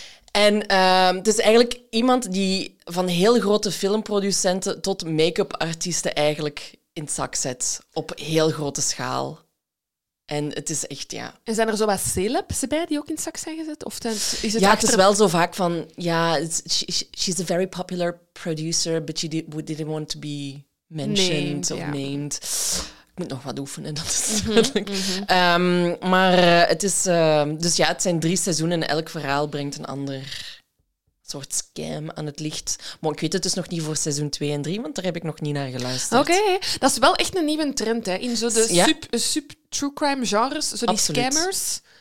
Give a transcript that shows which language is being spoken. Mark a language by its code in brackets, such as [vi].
[nl] En het is eigenlijk iemand die van heel grote filmproducenten tot make-up artiesten eigenlijk in het zak zet. Op heel grote schaal. En het is echt, ja. En zijn er zo wat celebs bij die ook in het zak zijn gezet? Of ten, is het ja, achter... het is wel zo vaak van... [en] Ja, she's a very popular producer, but she didn't want to be mentioned named. [nl] Ik moet nog wat oefenen, dat is duidelijk. Mm-hmm. Maar het is... dus ja, het zijn 3 seizoenen en elk verhaal brengt een ander soort scam aan het licht. Maar ik weet het dus nog niet voor seizoen 2 en 3, want daar heb ik nog niet naar geluisterd. Oké, okay. Dat is wel echt een nieuwe trend, hè. In zo de sub true crime genres, zo die absoluut. Scammers.